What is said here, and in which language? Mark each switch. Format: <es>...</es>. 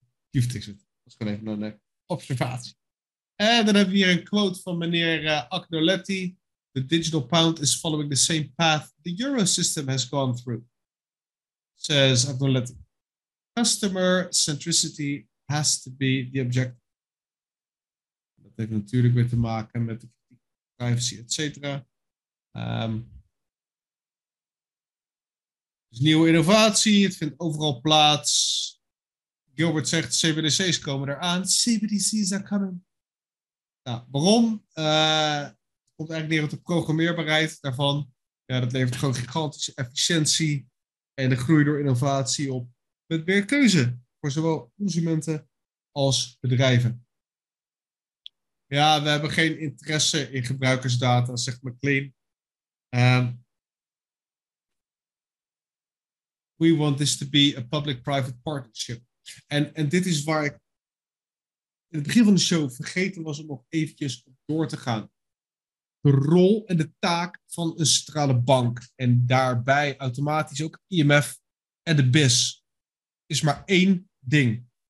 <nl>Dat is gewoon even een observatie. En dan hebben we hier een quote van meneer Agnoletti.</nl> <en>The digital pound is following the same path the euro system has gone through. Says Agnoletti. Customer centricity has to be the objective.</en> <nl>Dat heeft natuurlijk weer te maken met privacy, et cetera. Dus nieuwe innovatie, het vindt overal plaats. Gilbert zegt, CBDC's komen eraan.</nl> <en>CBDC's are coming.</en> <nl>Nou, waarom? Het komt eigenlijk neer op de programmeerbaarheid daarvan. Ja, dat levert gewoon gigantische efficiëntie en de groei door innovatie op. Met meer keuze voor zowel consumenten als bedrijven. Ja, we hebben geen interesse in gebruikersdata, zegt McLean.</nl> <en>We want this to be a public-private partnership.</en> <nl>En dit is waar ik... in het begin van de show vergeten was om nog eventjes door te gaan. De rol en de taak van een centrale bank en daarbij automatisch ook IMF en de BIS is maar één ding.</nl>